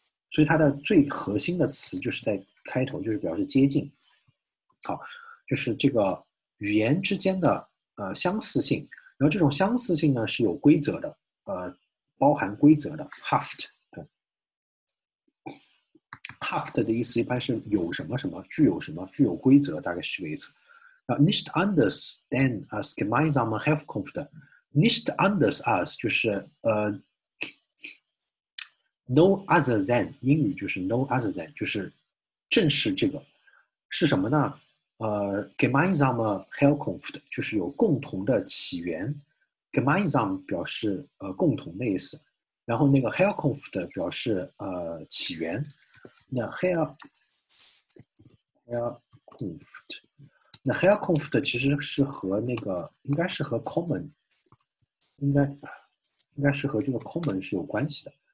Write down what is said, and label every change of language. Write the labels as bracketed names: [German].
[Chinese] 所以它的最核心的词就是在开头，就是表示接近，好，就是这个语言之间的相似性。然后这种相似性呢是有规则的，包含规则的。 haft 对，haft 的意思一般是有什么什么，具有什么，具有规则，大概是这个意思。 [German] 啊，nicht anders denn als gemeinsame Herkunft。 nicht anders als [Chinese] 就是 [English] No other than [Chinese] 英语就是 No other than 就是正是这个是什么呢？ gemeinsame Herkunft 就是有共同的起源，gemeinsam 表示共同的意思，然后那个 Herkunft 表示起源，那 Herkunft 其实是和那个应该是和 common 应该是和这个 common 是有关系的。